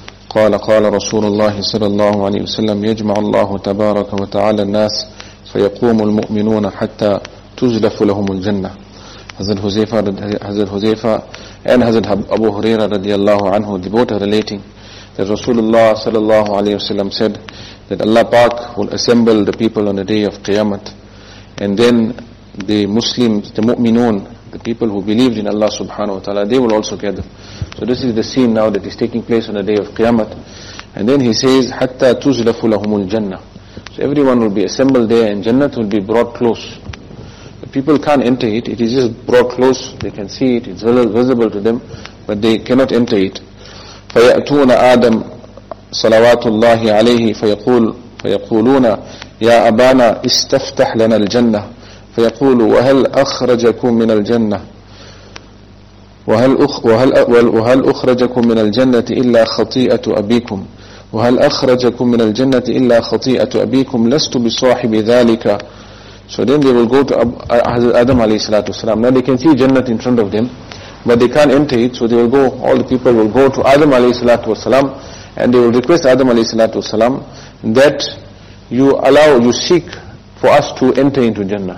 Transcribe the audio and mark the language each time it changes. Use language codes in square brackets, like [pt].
[ar] قال قال رسول الله صلى الله عليه وسلم يجمع الله تبارك وتعالى الناس فيقوم المؤمنون حتى تزلف لهم الجنة. [en] Hazrat Huzaifa and Hazrat Abu Huraira radiallahu anhu, they both are relating that Rasulullah sallallahu alayhi wasallam said that Allah Pak will assemble the people on the day of Qiyamah, and then the Muslims, the mu'minun, the people who believed in Allah subhanahu wa ta'ala, they will also gather. So this is the scene now that is taking place on the day of Qiyamah. And then he says, [ar] حَتَّى تُزْلَفُ لَهُمُ الْجَنَّةِ. [en] So everyone will be assembled there, and Jannah will be brought close. The people can't enter it, it is just brought close. They can see it, it's visible to them, but they cannot enter it. [ar] فَيَأْتُونَ آدَمْ صَلَوَاتُ اللَّهِ عَلَيْهِ فَيَقُولُونَ يَا أَبَانَا إِسْتَفْتَحْ لَنَا الْجَنَّةِ فيقول وهل أخرجكم من الجنة وهل أخرجكم من الجنة إلا خطيئة أبيكم وهل أخرجكم من الجنة إلا خطيئة أبيكم لست بصاحب ذلك. [en] So then they will go to Adam عليه الصلاة والسلام. Now they can see Jannah in front of them, but they can't enter it. So they will go, all the people will go to Adam عليه الصلاة والسلام, and they will request Adam عليه الصلاة والسلام that you seek for us to enter into Jannah.